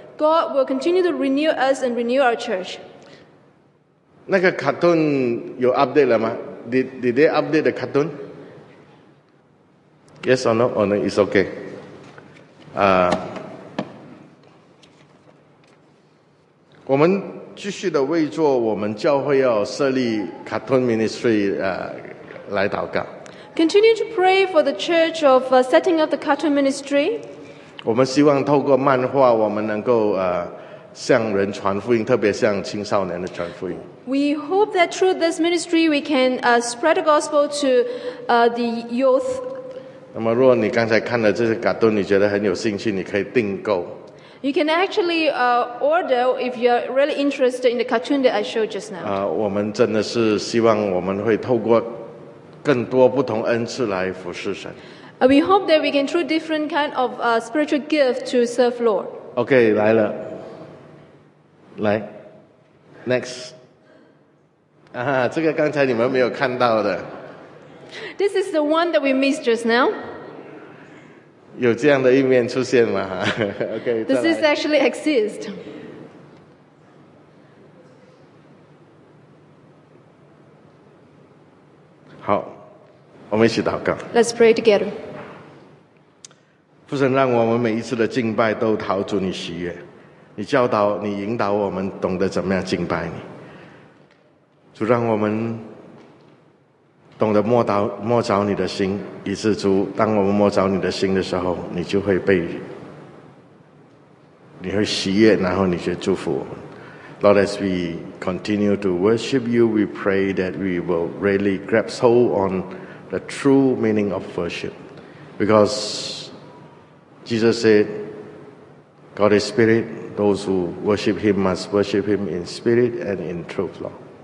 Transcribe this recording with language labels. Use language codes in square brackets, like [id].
[en] God will continue to renew us and renew our church. [zh] 那个卡顿有 update 了吗？ [en] Did they update the cartoon? Yes or no? Oh no, it's okay. We [zh] 们继续的为做我们教会要设立 cartoon ministry 来祷告。 [en] Continue to pray for the church of setting up the cartoon ministry. [zh] 我们希望透过漫画，我们能够向人传福音，特别向青少年的传福音。 [en] We hope that through this ministry, we can spread the gospel to the youth. [zh] 那么，如果你刚才看了这些卡通，你觉得很有兴趣，你可以订购。 [en] You can actually order if you're really interested in the cartoon that I showed just now. [zh] 我们真的是希望我们会透过更多不同恩赐来服侍神。 [en] We hope that we can through different kind of spiritual gift to serve Lord. Okay, [zh] 来了，来 [en] ，next。 [zh] 这个刚才你们没有看到的。 [en] This is the one that we missed just now. [zh] 有这样的一面出现吗？ [en] Okay, this is actually exist. [zh] 好，我们一起祷告。 [en] Let's pray together. [zh] 父神，让我们每一次的敬拜都讨主你喜悦。你教导，你引导我们懂得怎么样敬拜你。主，让我们懂得摸着你的心，以致主，当我们摸着你的心的时候，你就会被，你会喜悦，然后你就祝福我们。 [en] Lord, as we continue to worship you, we pray that we will really grasp hold on the true meaning of worship. Because Jesus said, God is spirit, those who worship him must worship him in spirit and in truth, Lord.